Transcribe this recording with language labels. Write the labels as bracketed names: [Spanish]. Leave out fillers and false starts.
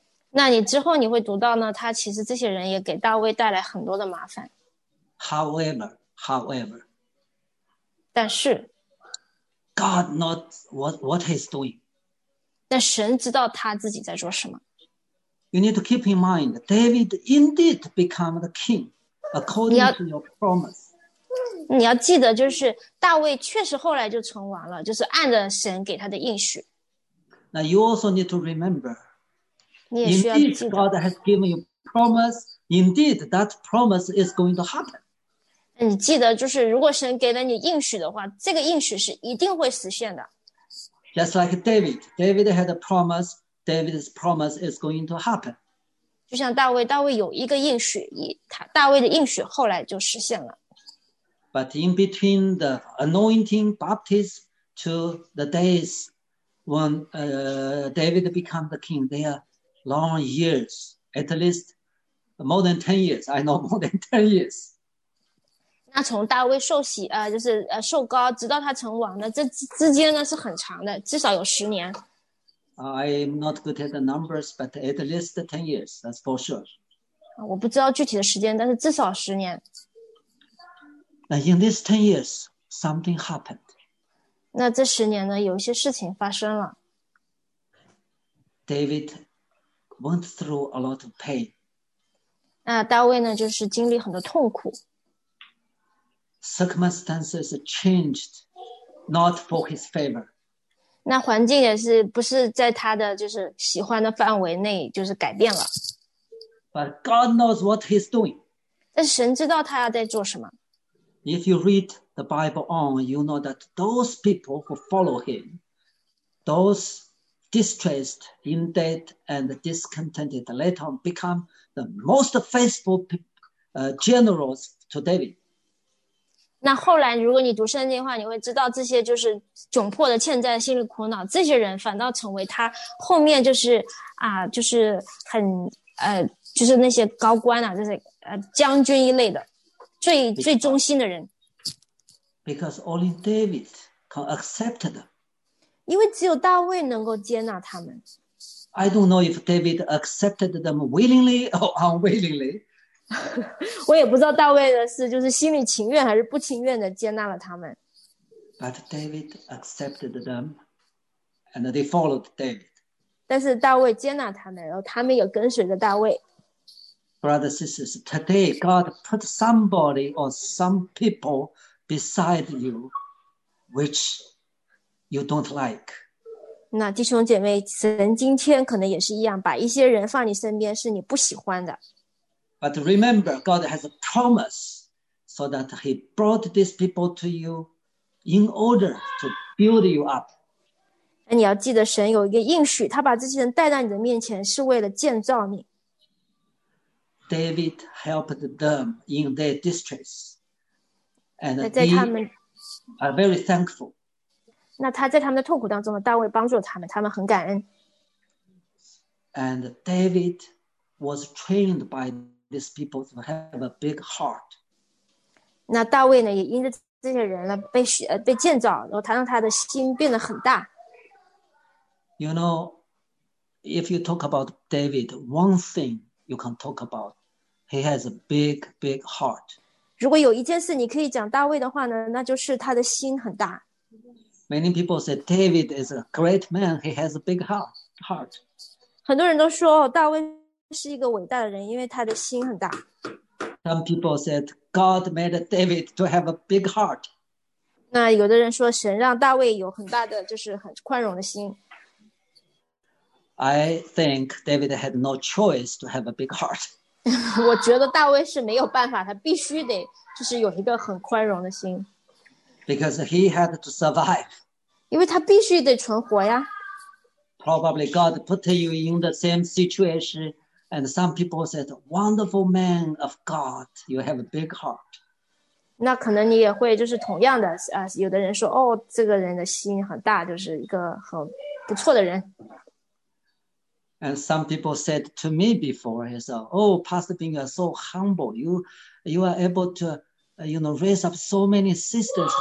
[Chinese] 那你之后你会读到呢，他其实这些人也给大卫带来很多的麻烦。 [English] However, [Chinese] 但是 [English] God knows what he's doing. [Chinese] 但神知道他自己在做什么。 [English] You need to keep in mind, David indeed became the king according to your promise. [Chinese] 你要记得，就是大卫确实后来就成王了，就是按着神给他的应许。 [English] Now you also need to remember. [Chinese] 你也需要记得 [English] Indeed, God has given you promise. Indeed, that promise is going to happen. [Chinese] 你记得，就是如果神给了你应许的话，这个应许是一定会实现的。 [English] Just like David, David had a promise. David's promise is going to happen. [Chinese] 就像大卫，大卫有一个应许，大卫的应许后来就实现了。 [English] But in between the anointing baptism to the days when David became the king, there. Long years, at least more than 10 years. I know more than 10 years. [Chinese] 那从大卫受洗，就是受膏，直到他成王的，这之间呢是很长的，至少有十年。 [English] I'm not good at the numbers, but at least 10 years, that's for sure. [Chinese] 我不知道具体的时间，但是至少十年。 [English] Now in these 10 years, something happened. [Chinese] 那这十年呢，有一些事情发生了。 [English] David. Went through a lot of pain. [Chinese] 那大卫呢，就是经历很多痛苦。 [English] Circumstances changed, not for his favor. [Chinese] 那环境也是不是在他的就是喜欢的范围内，就是改变了。 [English] But God knows what he's doing. [Chinese] 但神知道他要在做什么。 [English] If you read the Bible on, you know that those people who follow him, thosedistressed, in debt, and discontented, later on become the most faithful generals to David. [Chinese] 那后来如果你读圣经的话，你会知道这些就是窘迫的、欠债、心理苦恼，这些人反倒成为他后面就是就是很就是那些高官啊，就是将军一类的最忠心的人。 [English] Because only David can accept them. [Chinese] 因为只有大卫能够接纳他们。 [English] I don't know if David accepted them willingly or unwillingly. [Chinese] 我也不知道大卫的是就是心里情愿还是不情愿的接纳了他们。 [English] But David accepted them and they followed David. [Chinese] 但是大卫接纳他们，然后他们也跟随着大卫。 [English] Brothers and sisters, today God put somebody or some people beside you which... You don't like. [Chinese] 那弟兄姐妹，神今天可能也是一样，把一些人放你身边是你不喜欢的。 [English] But remember, God has a promise, so that He brought these people to you in order to build you up. [Chinese] 那你要记得，神有一个应许，他把这些人带到你的面前是为了建造你。 [English] David helped them in their distress, and they are very thankful. [Chinese] 那他在他们的痛苦当中呢，大卫帮助他们，他们很感恩。 [English] And David was trained by these people to have a big heart. [Chinese] 那大卫呢，也因着这些人呢，被建造，然后他让他的心变得很大。 [English] You know, if you talk about David, one thing you can talk about, he has a big, big heart. [Chinese] 如果有一件事你可以讲大卫的话呢，那就是他的心很大。 [English] Many people say David is a great man. He has a big heart. heart. [Chinese] 很多人都说大卫是一个伟大的人，因为他的心很大。 [English] Some people said God made David to have a big heart. [Chinese] 那有的人说神让大卫有很大的，就是很宽容的心。 [English] I think David had no choice to have a big heart. [Chinese] 我觉得大卫是没有办法，他必须得就是有一个很宽容的心。 [English] Because he had to survive. [Chinese] 因为他必须得存活呀。 [English] Probably God put you in the same situation, and some people said, "Wonderful man of God, you have a big heart." [Chinese] 那可能你也会就是同样的啊，有的人说，哦，这个人的心很大，就是一个很不错的人。 [English] And some people said to me before, he said, "Oh, Pastor Bing, so humble. You are able to, you know, raise up so many sisters.